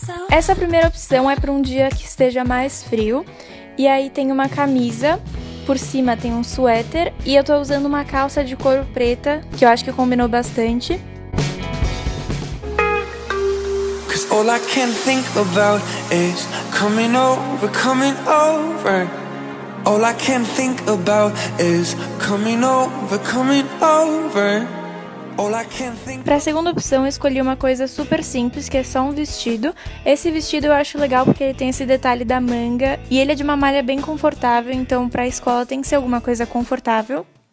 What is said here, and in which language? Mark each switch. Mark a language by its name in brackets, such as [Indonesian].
[Portuguese] Essa primeira opção é para um dia que esteja mais frio. E aí tem uma camisa. Por cima tem um suéter. E eu tô usando uma calça de couro preta, que eu acho que combinou bastante. [English] All I can think about is coming over, coming over. All I can think about is coming over, coming over. [Portuguese] Pra segunda opção, eu escolhi uma coisa super simples, que é só um vestido. Esse vestido eu acho legal porque ele tem esse detalhe da manga. E ele é de uma malha bem confortável, então pra escola tem que ser alguma coisa confortável.